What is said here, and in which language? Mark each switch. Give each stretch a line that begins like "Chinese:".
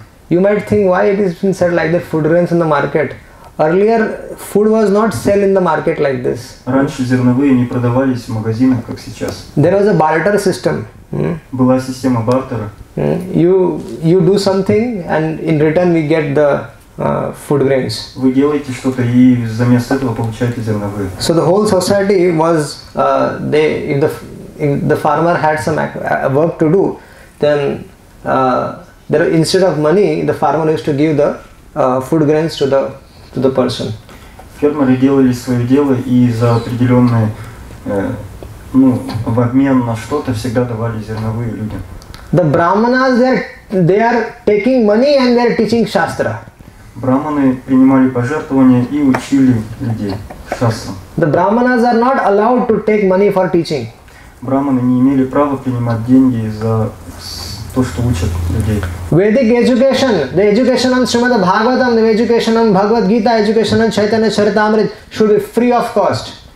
English: You might think why it has been said like that, food grains in the market. Earlier food was not sell in the market like this.
Russian: Раньше зерновые не продавались в магазинах, как сейчас.
English: There was a barter system.
Russian: Была система бартера.
English: You do something and in return we get the food grains.
Russian: Вы делаете что-то и взамен этого получаете зерновые.
English: So the whole society was if the farmer had some work to do, then there instead of money the farmer used to give the food grains to the person.
Russian: Фермеры делали свое дело и за определенные в обмен на что-то всегда давали зерновые людям.
English: The brahmanas, they are taking money and they are teaching shastra.
Russian: Брахманы принимали пожертвования и учили людей шастрам.
English: The brahmanas are not allowed to take money for teaching.
Russian: Брахманы не имели права принимать деньги за то, что учат людей.
English: Vedic education, the education on Srimad Bhagavatam, the education on Bhagavad Gita, education on Chaitanya Charitamrita should be free of cost.